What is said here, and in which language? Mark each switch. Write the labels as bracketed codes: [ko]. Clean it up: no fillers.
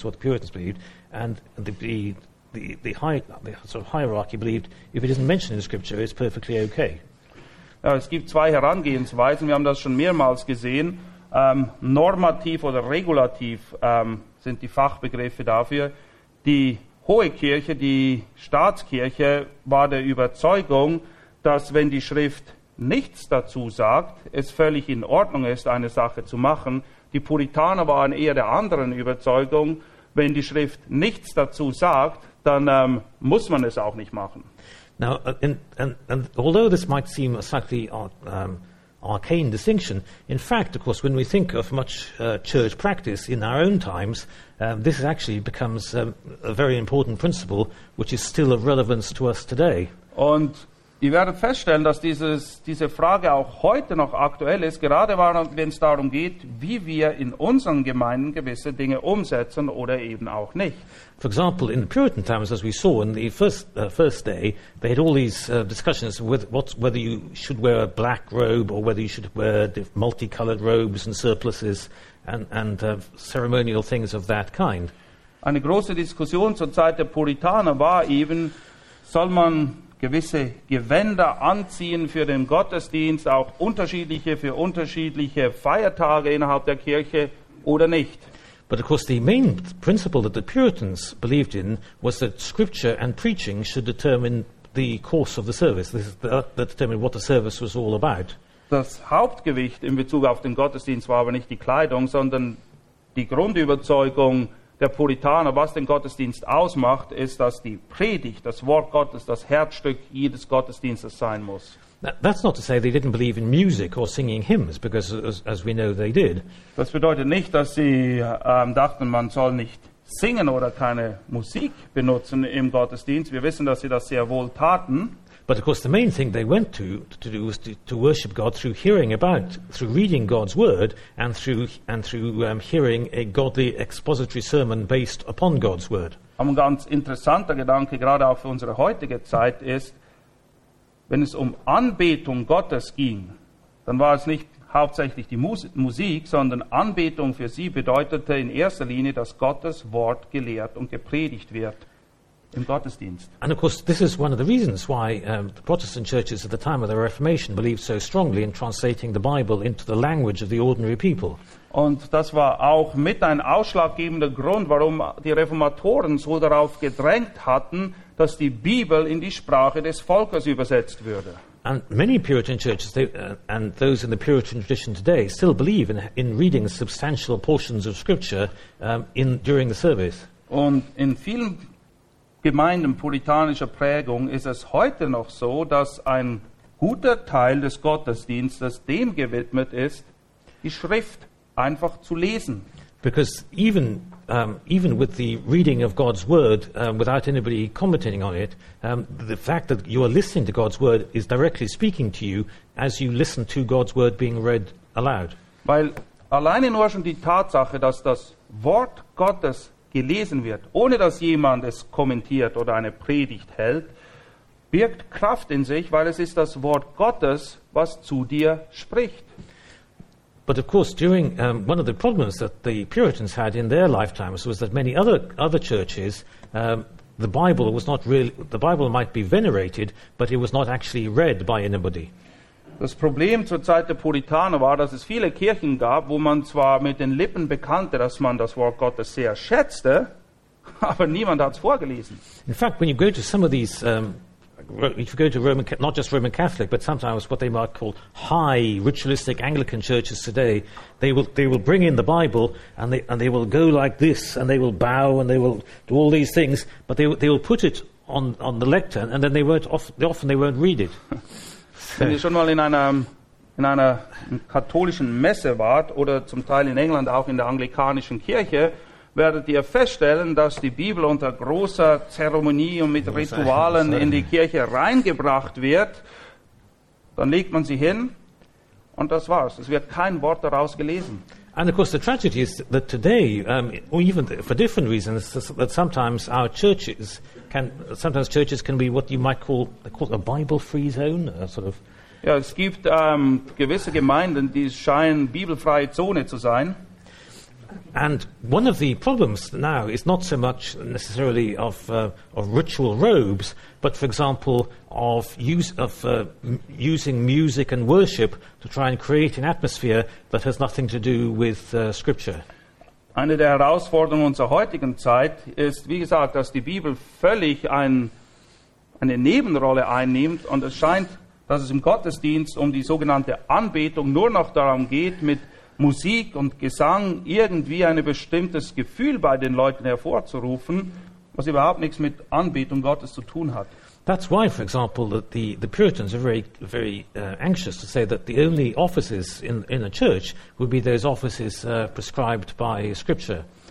[en] Is what the Puritans believed, and the hierarchy believed if it isn't mentioned in Scripture it's perfectly okay. [de] Ja, es gibt zwei Herangehensweisen, wir haben das schon mehrmals gesehen. Normativ oder regulativ sind die Fachbegriffe dafür. Die Hohe Kirche, die Staatskirche, war der Überzeugung, dass wenn die Schrift nichts dazu sagt, es völlig in Ordnung ist, eine Sache zu machen. Die Puritaner waren eher der anderen Überzeugung, wenn die Schrift nichts dazu sagt, dann muss man es auch nicht machen. [en] Now, and although this might seem a slightly arcane distinction, in fact, of course, when we think of much church practice in our own times, this actually becomes a very important principle, which is still of relevance to us today. [de] Und ihr werdet feststellen, dass diese Frage auch heute noch aktuell ist, gerade wenn es darum geht, wie wir in unseren Gemeinden gewisse Dinge umsetzen oder eben auch nicht. [en] For example, in the Puritan times, as we saw in the first day, they had all these discussions with whether you should wear a black robe or whether you should wear multicolored robes and surplices and ceremonial things of that kind. [de] Eine große Diskussion zur Zeit der Puritaner war eben, soll man gewisse Gewänder anziehen für den Gottesdienst, auch unterschiedliche für unterschiedliche Feiertage innerhalb der Kirche oder nicht. [en] But of course the main principle that the Puritans believed in was that scripture and preaching should determine the course of the service. This is that determined what the service was all about. [de] Das Hauptgewicht in Bezug auf den Gottesdienst war aber nicht die Kleidung, sondern die Grundüberzeugung der Puritaner, was den Gottesdienst ausmacht, ist, dass die Predigt, das Wort Gottes, das Herzstück jedes Gottesdienstes sein muss. [en] That's not to say they didn't believe in music or singing hymns, because as we know they did. [de] Das bedeutet nicht, dass sie dachten, man soll nicht singen oder keine Musik benutzen im Gottesdienst. Wir wissen, dass sie das sehr wohl taten. [en] But of course the main thing they went to do was to worship God through hearing about, through reading God's word and through hearing a godly expository sermon based upon God's word. [de] Ein ganz interessanter Gedanke, gerade auch für unsere heutige Zeit, ist, wenn es um Anbetung Gottes ging, dann war es nicht hauptsächlich die Musik, sondern Anbetung für sie bedeutete in erster Linie, dass Gottes Wort gelehrt und gepredigt wird. Im Gottesdienst. [en] And of course, this is one of the reasons why the Protestant churches at the time of the Reformation believed so strongly in translating the Bible into the language of the ordinary people. [de] Und das war auch mit ein ausschlaggebender Grund, warum die Reformatoren so darauf gedrängt hatten, dass die Bibel in die Sprache des Volkes übersetzt würde. [en] And many Puritan churches and those in the Puritan tradition today still believe in reading substantial portions of Scripture during the service. [de] Und in vielen Gemeinden puritanischer Prägung ist es heute noch so, dass ein guter Teil des Gottesdienstes dem gewidmet ist, die Schrift einfach zu lesen. [en] Because even with the reading of God's word without anybody commenting on it, the fact that you are listening to God's word is directly speaking to you as you listen to God's word being read aloud. [de] Weil alleine nur schon die Tatsache, dass das Wort Gottes gelesen wird, ohne dass jemand es kommentiert oder eine Predigt hält, birgt Kraft in sich, weil es ist das Wort Gottes, was zu dir spricht. [en] But of course, during one of the problems that the Puritans had in their lifetimes was that many other churches, the Bible might be venerated, but it was not actually read by anybody. [de] Das Problem zur Zeit der Puritaner war, dass es viele Kirchen gab, wo man zwar mit den Lippen bekannte, dass man das Wort Gottes sehr schätzte, aber niemand hat es vorgelesen. [en] In fact, when you go to some of these, if you go to Roman, not just Roman Catholic, but sometimes what they might call high ritualistic Anglican churches today, they will bring in the Bible and they will go like this and they will bow and they will do all these things, but they will put it on the lectern and then they won't read it. [de] Wenn ihr schon mal in einer katholischen Messe wart oder zum Teil in England auch in der anglikanischen Kirche, werdet ihr feststellen, dass die Bibel unter großer Zeremonie und mit Ritualen in die Kirche reingebracht wird. Dann legt man sie hin und das war's. Es wird kein Wort daraus gelesen. [en] And of course the tragedy is that today, or even for different reasons, that sometimes churches can be what you might call a Bible-free zone, sort of. [de] Ja, es gibt gewisse Gemeinden, die scheinen bibelfreie Zone zu sein. [en] And one of the problems now is not so much necessarily of ritual robes, but for example of using music and worship to try and create an atmosphere that has nothing to do with scripture. [de] Eine der Herausforderungen unserer heutigen Zeit ist, wie gesagt, dass die Bibel völlig eine Nebenrolle einnimmt und es scheint, dass es im Gottesdienst um die sogenannte Anbetung nur noch darum geht, mit Musik und Gesang irgendwie ein bestimmtes Gefühl bei den Leuten hervorzurufen, was überhaupt nichts mit Anbetung Gottes zu tun hat. [en] That's why, for example, that the Puritans are very, very anxious to say that the only offices in a church would be those offices prescribed by Scripture.